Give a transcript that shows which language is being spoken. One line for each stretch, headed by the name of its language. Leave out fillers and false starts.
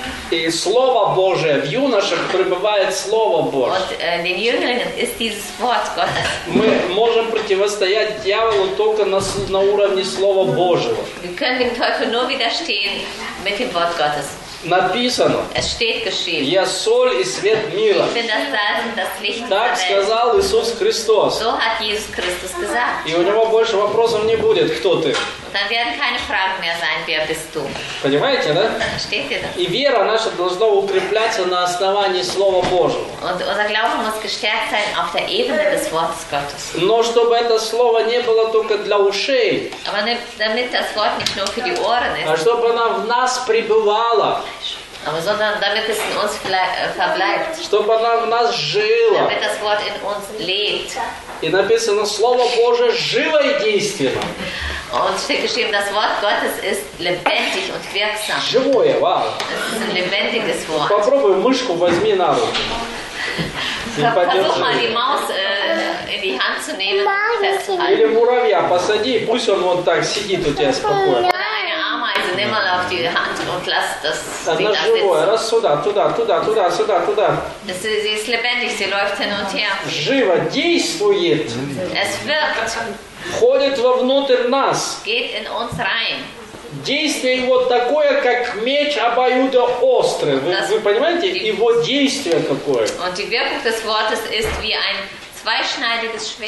Russian: И Слово Божие в юношах пребывает Слово Божие.
German: Und den Jüngern ist dieses Wort Gottes.
Russian: Мы можем противостоять дьяволу только на уровне Слова Божьего.
German: Wir können dem Teufel nur widerstehen mit dem Wort Gottes.
Russian: Написано.
German: Es steht geschrieben.
Russian: Я соль и свет мира.
German: Ich bin das Salz und das Licht der Welt.
Russian: Так сказал Иисус Христос.
German: So hat Jesus Christus gesagt.
Russian: И у него больше вопросов не будет, кто ты.
German: Dann werden keine Fragen mehr sein, wer bist du.
Russian: Понимаете, да?
German: Steht ihr das?
Russian: И вера наша должна укрепляться на основании Слова Божьего.
German: Und unser Glaube muss gestärkt sein auf der Ebene des Wortes Gottes.
Russian: Но чтобы это слово не было только для ушей.
German: Aber damit das Wort nicht nur für die Ohren ist.
Russian: А чтобы оно в нас пребывало.
German: Aber sondern damit es in uns verbleibt.
Russian: Чтобы оно в нас жило.
German: Damit das Wort in uns lebt.
Russian: И написано, Слово Божие живо и действенно.
German: Und steht geschrieben, das Wort Gottes ist lebendig und wirksam.
Russian: Живое, wow.
German: Es ist ein lebendiges Wort.
Russian: Попробуй мышку возьми на руку.
German: Versuch mal die Maus in die Hand zu nehmen. Festhalten.
Russian: Или муравья посади, пусть он вот так сидит у тебя спокойно.
German: Nimm mal auf die Hand und lass das
Russian: Ding сюда, туда, туда, туда, сюда, туда.
German: Sie ist lebendig, sie läuft hin und her.
Russian: Живо действует.
German: Es wirkt.
Russian: Входит вовнутрь нас.
German: Geht in uns rein.
Russian: Действие его такое, как меч обоюдоострый. Вы понимаете, его действие какое?
German: Und die Wirkung des Wortes ist wie ein zweischneidiges Schwert,